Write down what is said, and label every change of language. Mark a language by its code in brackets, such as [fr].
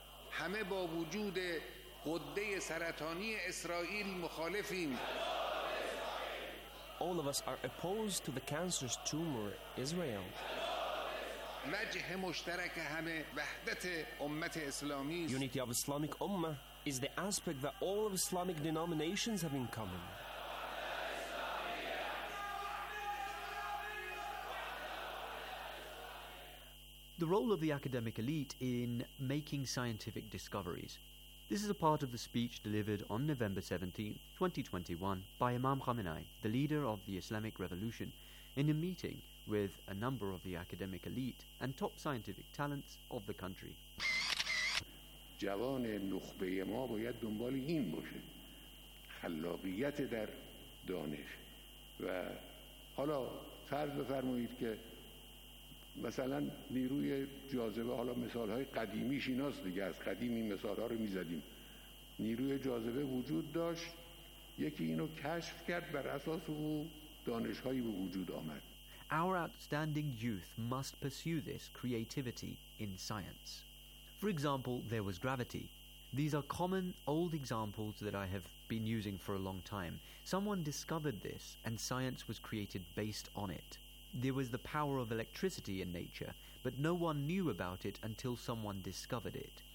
[fa] همه با وجود قده سرطانی اسرائیل مخالفیم. [en] All of us are opposed to the cancerous tumor Israel. [fa] وجه مشترک همه وحدت امت اسلامی. [en] Unity of Islamic Ummah is the aspect that all of Islamic denominations have in common. The role of the academic elite in making scientific discoveries. This is a part of the speech delivered on November 17, 2021 by Imam Khamenei, the leader of the Islamic Revolution, in a meeting with a number of the academic elite and top scientific talents of the country. [fa] جوان نخبه ما باید دنبال این باشه. خلاقیت در دانش. و حالا فرض بفرمایید که مثلا نیروی جاذبه حالا مثال های قدیمیش ایناست دیگه از قدیم این مثال ها رو می زدیم نیروی جاذبه وجود داشت یکی اینو کشف کرد بر اساس او دانش هایی به وجود آمد [en] Our outstanding youth must pursue this creativity in science For example, there was gravity These are common old examples that I have been using for a long time Someone discovered this and science was created based on it There was the power of electricity in nature, but no one knew about it until someone discovered it.